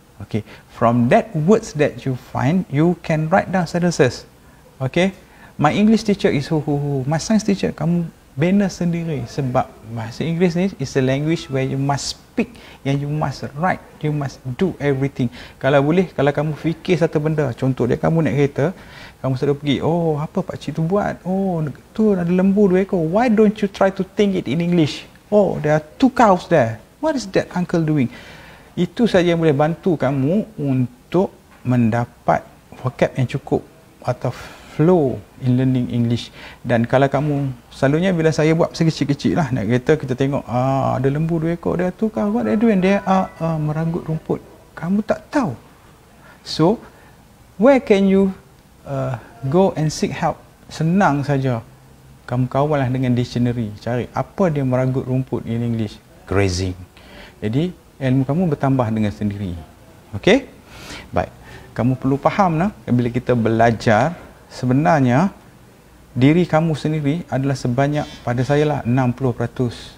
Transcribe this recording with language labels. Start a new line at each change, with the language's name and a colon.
English: Okay, from that words that you find, you can write down sentences. Okay, my English teacher is who. My science teacher,
Malay: kamu bina sendiri. Sebab bahasa Inggeris ni
English: is a language where you must speak, yang you must write, you must do everything.
Malay: Kalau boleh, kalau kamu fikir satu benda, contoh dia kamu naik kereta, kamu selalu pergi, oh apa pakcik tu buat? Oh tu ada lembu dua ekor.
English: Why don't you try to think it in English? Oh, there are two cows there. What is that uncle doing?
Malay: Itu saja yang boleh bantu kamu untuk mendapat vocab yang cukup atau
English: flow in learning English.
Malay: Dan kalau kamu, selalunya bila saya buat sekecil-kecil lah, nak kata kita tengok, ada lembu dua ekor,
English: there are two cows, what are they doing? They are
Malay: meranggut rumput. Kamu tak tahu.
English: So, where can you go and seek help?
Malay: Senang saja. Kamu kawalah dengan dictionary. Cari apa dia meragut rumput
English: in English.
Malay: Grazing. Jadi, ilmu kamu bertambah dengan sendiri. Okay? Baik. Kamu perlu faham lah. Bila kita belajar, sebenarnya, diri kamu sendiri adalah sebanyak, pada saya lah, 60%.